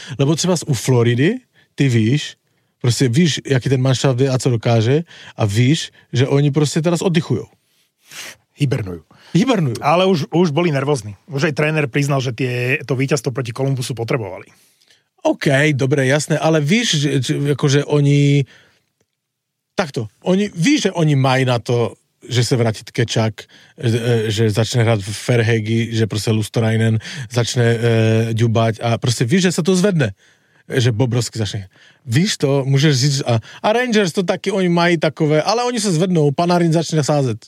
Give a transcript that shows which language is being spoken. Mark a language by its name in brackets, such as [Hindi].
[Czech] Lebo třeba u Floridy, ty víš, prostě víš, jaký ten manšaft [Slovak] vie [Czech] a co dokáže, a víš, že oni prostě [Slovak] teraz oddychujou. Hibernujú. Ale už boli nervózni. Už aj tréner priznal, že to víťazstvo proti Kolumbusu potrebovali. [Czech] OK, dobre, jasné, ale víš, že oni... Takto, oni, víš, že oni mají na to, že se vrátí Tkečak, že začne hrať Verhaeghe, že prostě Lustorainen začne ďubať, a prostě víš, že se to zvedne. Že Bobrovský začne. Víš to, můžeš říct, a Rangers to taky, oni mají takové, ale oni se zvednou, Panarin začne sázet.